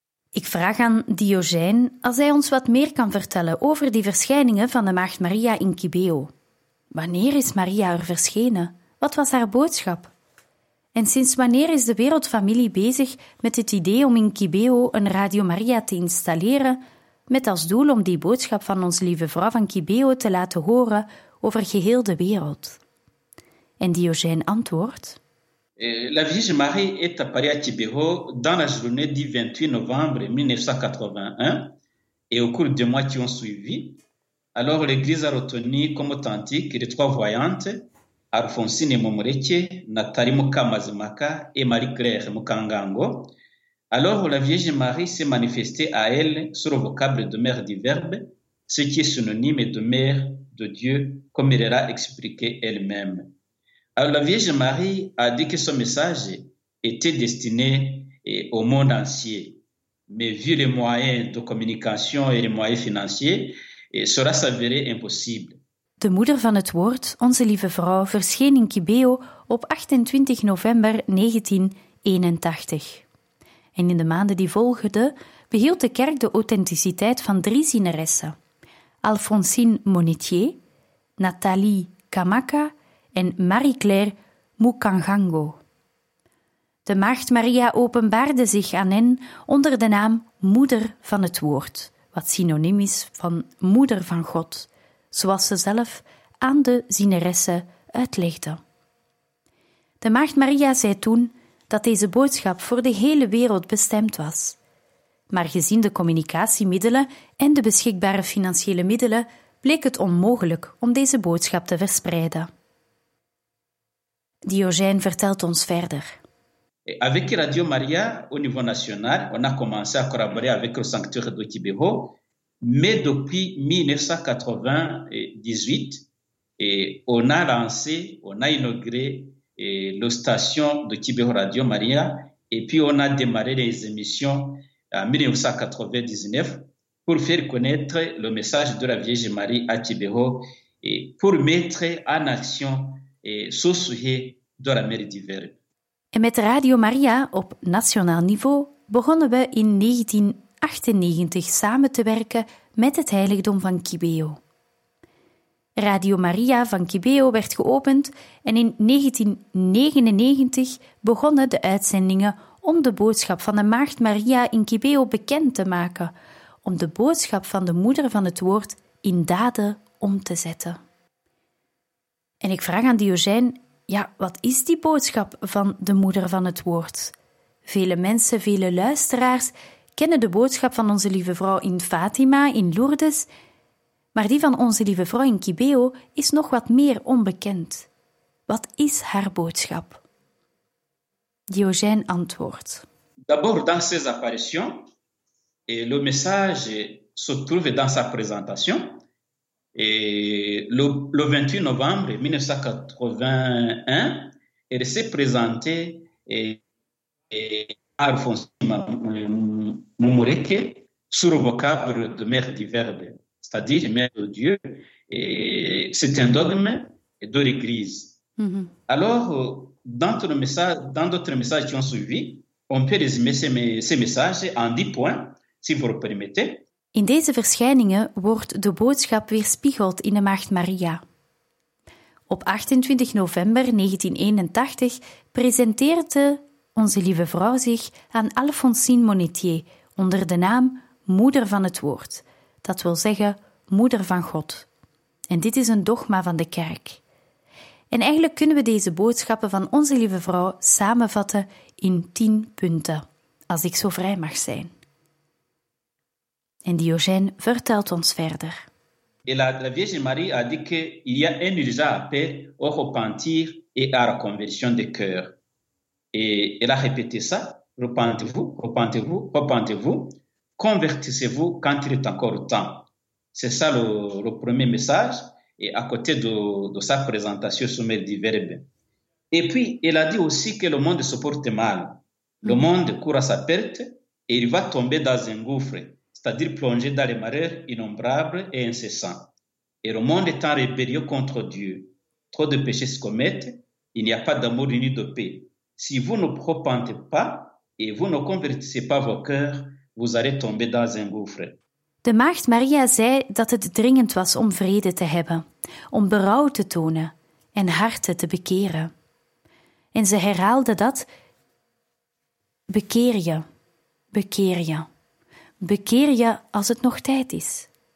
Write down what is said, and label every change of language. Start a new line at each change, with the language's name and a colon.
Dutch: Ik vraag aan Diogène als hij ons wat meer kan vertellen over die verschijningen van de Maagd Maria in Kibeo. Wanneer is Maria er verschenen? Wat was haar boodschap? En sinds wanneer is de Wereldfamilie bezig met het idee om in Kibeho een Radio Maria te installeren, met als doel om die boodschap van Onze Lieve Vrouw van Kibeho te laten horen over geheel de wereld? En Diogène antwoordt:
French: La Vierge Marie est apparue à Kibeho dans la journée du 28 novembre 1981 et au cours des mois qui ont suivi. Alors l'Église a retenu comme authentique les trois voyantes Alphonsine Momoreche, Nathalie Mukamazimaka et Marie-Claire Mukangango. Alors la Vierge Marie s'est manifestée à elle sur le vocable de mère du Verbe, ce qui est synonyme de mère de Dieu, comme elle l'a expliqué elle-même. Alors la Vierge Marie a dit que son message était destiné au monde entier, mais vu les moyens de communication et les moyens financiers, cela s'avérait impossible.
Dutch: De moeder van het woord, Onze Lieve Vrouw, verscheen in Kibeho op 28 november 1981. En in de maanden die volgden behield de kerk de authenticiteit van drie zieneressen: Alphonsine Monetier, Nathalie Kamaka en Marie-Claire Mukangango. De Maagd Maria openbaarde zich aan hen onder de naam Moeder van het Woord, wat synoniem is van Moeder van God, zoals ze zelf aan de zieneressen uitlegde. De Maagd Maria zei toen dat deze boodschap voor de hele wereld bestemd was. Maar gezien de communicatiemiddelen en de beschikbare financiële middelen bleek het onmogelijk om deze boodschap te verspreiden. Diogène vertelt ons verder.
French: Avec Radio Maria, au niveau national, on a commencé à collaborer avec le Sanctuaire de Kibeho. Mais depuis 1998, on a lancé, on a inauguré la station de Kibeho Radio Maria et puis on a démarré les émissions en 1999 pour faire connaître le message de la Vierge Marie à Kibeho et pour mettre en action ce sujet de la mère du Verbe. Et avec
Dutch: Radio Maria, op nationaal niveau, begonnen we in 1998 samen te werken met het heiligdom van Kibeho. Radio Maria van Kibeho werd geopend en in 1999 begonnen de uitzendingen om de boodschap van de Maagd Maria in Kibeho bekend te maken, om de boodschap van de moeder van het woord in daden om te zetten. En ik vraag aan Diogène, ja, wat is die boodschap van de moeder van het woord? Vele mensen, vele luisteraars kennen de boodschap van Onze Lieve Vrouw in Fatima, in Lourdes, maar die van Onze Lieve Vrouw in Kibeho is nog wat meer onbekend. Wat is haar boodschap? Diogène antwoordt.
French: D'abord dans ses apparitions, et le message se trouve dans sa présentation. Et le 28 novembre 1981, elle s'est présentée à Alphonsine Momoreche sur le vocable de mère du Verbe, c'est-à-dire mère de Dieu. Et c'est un dogme de l'Église. Mm-hmm. Alors, dans d'autres messages qui ont suivi, on peut résumer ces messages en 10 points, si vous le permettez.
Dutch: In deze verschijningen wordt de boodschap weerspiegeld in de Maagd Maria. Op 28 november 1981 presenteerde Onze Lieve Vrouw zich aan Alphonsine Monetier onder de naam Moeder van het Woord, dat wil zeggen Moeder van God. En dit is een dogma van de kerk. En eigenlijk kunnen we deze boodschappen van Onze Lieve Vrouw samenvatten in 10 punten, als ik zo vrij mag zijn. En Diogène vertelt ons verder.
French: Et la Vierge Marie a dit qu'il y a un urgent appel au repentir et à la conversion des cœurs. Et elle a répété ça, repentez-vous, repentez-vous, repentez-vous, convertissez-vous quand il est encore temps. C'est ça le premier message, et à côté de sa présentation sur mes diverbes. Et puis, elle a dit aussi que le monde se porte mal. Le monde court à sa perte et il va tomber dans un gouffre, c'est-à-dire plonger dans les marais innombrables et incessants. Et le monde est en rébellion contre Dieu. Trop de péchés se commettent, il n'y a pas d'amour ni de paix. Si vous ne repentez pas et vous ne convertissez pas vos cœurs, vous allez tomber dans un gouffre.
Dutch: De Maagd Maria zei dat het dringend was om vrede te hebben, om berouw te tonen en harten te bekeren. En ze herhaalde dat. Bekeer je, bekeer je, bekeer je als het nog tijd is.